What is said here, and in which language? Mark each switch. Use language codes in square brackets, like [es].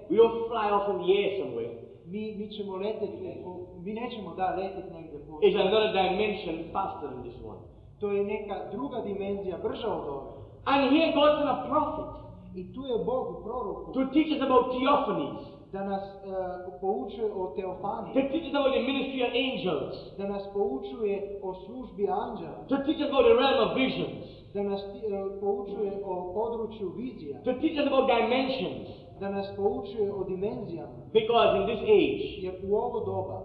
[en] We don't fly off in the air somewhere. [hr] mi ćemo letjeti, mi nećemo da letjeti negdje po. [en] It's another dimension faster than this one. [hr] To je neka druga dimenzija, brža od ove. [en] And here God's in a prophet. [hr] I tu je Bog u proroku. [en] To teach us about theophanies. [hr] Da nas poučuje o teofaniji. [en] To teach us about the ministry of angels. [hr] Da nas poučuje o službi anđela. [en] To teach us about the realm of visions. [hr] Da nas poučuje o području vizija. [en] To teach us about dimensions. [hr] Da nas poučuje o dimenzijama. [en] Because in this age, [hr] jer u ovo doba,